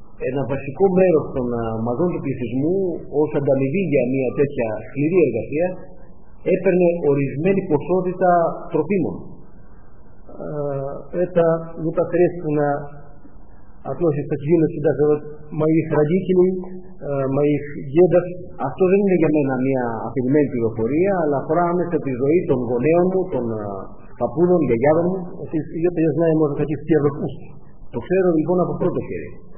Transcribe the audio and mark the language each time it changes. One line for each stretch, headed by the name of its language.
Greek: Ένα βασικό μέρος των μαζών του πληθυσμού ως ανταμοιβή για μια τέτοια σκληρή εργασία έπαιρνε ορισμένη ποσότητα τροφίμων.
Russian: Это непосредственно относится к юности даже вот моих родителей, моих дедов.
Greek: Αυτό δεν είναι για μένα μια αφηρημένη πληροφορία, αλλά αφορά άμεσα τη ζωή των γονέων μου, των παππούδων, γιαγιάδων μου. Το ξέρω λοιπόν από πρώτο χέρι.